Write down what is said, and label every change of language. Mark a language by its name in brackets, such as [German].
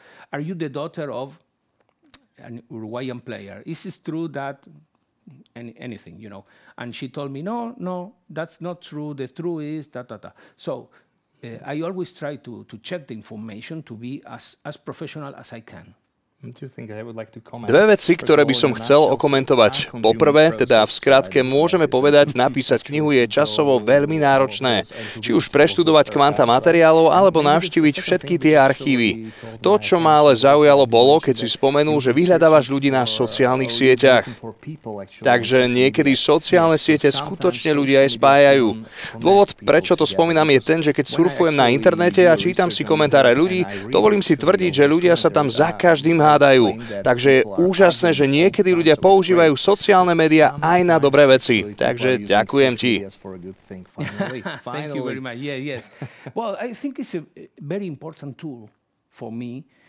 [English] Are you the daughter of an Uruguayan player? Is it true that anything, you know? And she told me, no, that's not true. The truth is ta. So I always try to check the information to be as professional as I can. [Slovak] Dve veci, ktoré by som chcel okomentovať. Poprvé, teda v skratke, môžeme povedať, napísať knihu je časovo veľmi náročné. Či už preštudovať kvanta materiálov, alebo navštíviť všetky tie archívy. To, čo ma ale zaujalo, bolo, keď si spomenul, že vyhľadávaš ľudí na sociálnych sieťach. Takže niekedy sociálne siete skutočne ľudia aj spájajú. Dôvod, prečo to spomínam, je ten, že keď surfujem na internete a čítam si komentáre ľudí, dovolím si tvrdiť, že ľudia sa tam za každým hádajú. Takže je úžasné, že niekedy ľudia používajú sociálne médiá aj na dobré veci. Takže ďakujem ti. [English] Thank you very much. Yeah, yes. Well, I think it's a very important tool for me.